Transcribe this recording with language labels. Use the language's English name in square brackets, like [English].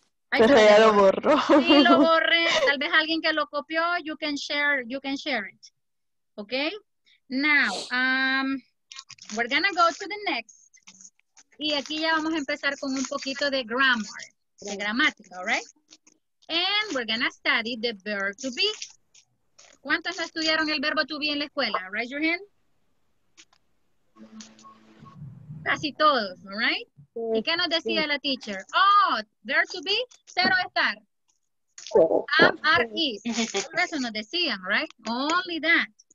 [Spanish] Pero ya lo borró. Sí, lo borré. Tal vez alguien que lo copió, [English] you can share it. [Spanish] Okay? [English] Now, we're gonna go to the next. [Spanish] Y aquí ya vamos a empezar con un poquito de grammar, de gramática, all right? [English] And we're gonna study the verb to be. [Spanish] ¿Cuántos estudiaron el verbo to be en la escuela? [English] Raise your hand. [Spanish] Casi todos, all right? Sí, ¿y qué nos decía sí. La teacher? [English] Oh, verb to be, [Spanish] cero estar. [English] Am, are, is. [Spanish] Eso nos decían, right? [English] Only that.